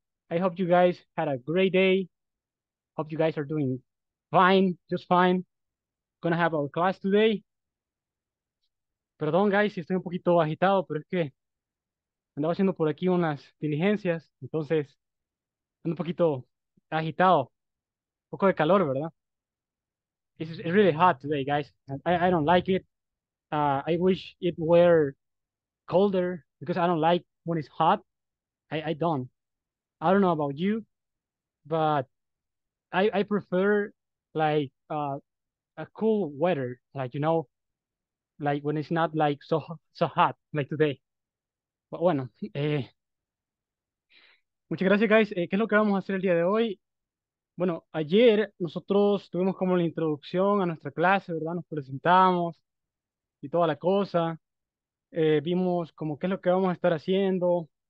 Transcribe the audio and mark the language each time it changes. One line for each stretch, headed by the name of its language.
English: I hope you guys had a great day. Hope you guys are doing fine, just fine. Gonna have our class today.
Spanish: Perdón, guys, si estoy un poquito agitado, pero es que andaba haciendo por aquí unas diligencias, entonces ando un poquito agitado. Un poco de calor, ¿verdad?
English: It's really hot today, guys. I don't like it. I wish it were colder because I don't like when it's hot. I don't know about you, but I prefer like a cool weather, like when it's not like so hot like today.
Spanish: But bueno, muchas gracias, guys. ¿Qué es lo que vamos a hacer el día de hoy? Bueno, ayer nosotros tuvimos como la introducción a nuestra clase, ¿verdad? Nos presentamos y toda la cosa. Vimos como qué es lo que vamos a estar haciendo.